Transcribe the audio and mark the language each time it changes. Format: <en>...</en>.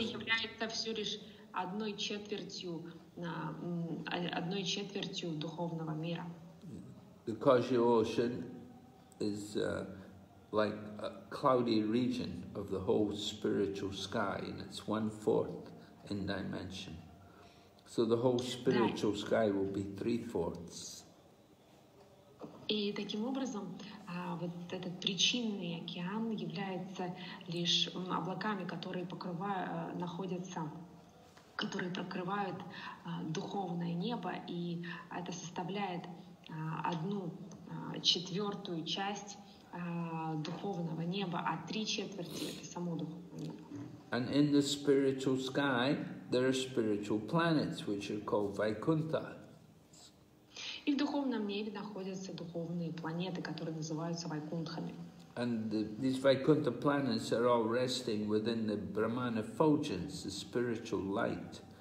<ru>И это является все лишь одной четвертью духовного мира.</ru> <en>The causal ocean is like a cloudy region of the whole spiritual sky, and it's 1/4 in dimension. So the whole spiritual sky will be 3/4.</en> <ru>И таким образом, вот этот причинный океан является лишь облаками, которые покрывают, находятся, которые покрывают духовное небо, и это составляет одну четвертую часть духовного неба, а 3/4 это само духовное небо.</ru> <en>And in the spiritual sky, there are spiritual planets which are called Vaikuntha.</en> <ru>И в духовном небе находятся духовные планеты, которые называются Вайкунтхами.</ru> <en>And these Vaikuntha planets are all resting within the Brahman effulgence, the spiritual light.</en>